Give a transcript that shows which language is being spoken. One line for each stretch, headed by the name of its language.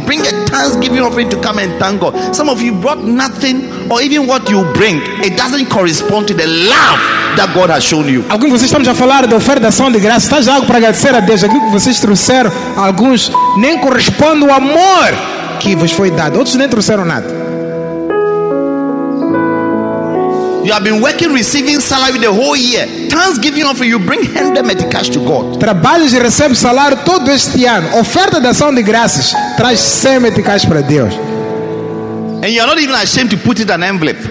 English: Bring a thanksgiving offering to come and thank God. Some of you brought nothing, or even what you bring, it doesn't correspond to the love that God has shown you.
Portuguese: Alguns de vocês estamos a falar da oferta da ação de graça. Está já algo para agradecer a Deus? Aquilo que vocês trouxeram, alguns nem corresponde ao amor que vos foi dado. Outros nem trouxeram nada.
English: You have been working, receiving salary the whole year. Thanksgiving offering, you bring hand empty cash to God.
Portuguese: Trabalhas e recebes salário todo este ano. Oferta da ação de graças traz sem
English: empty cash
Portuguese: para Deus.
English: And you are not even ashamed to put it in an envelope.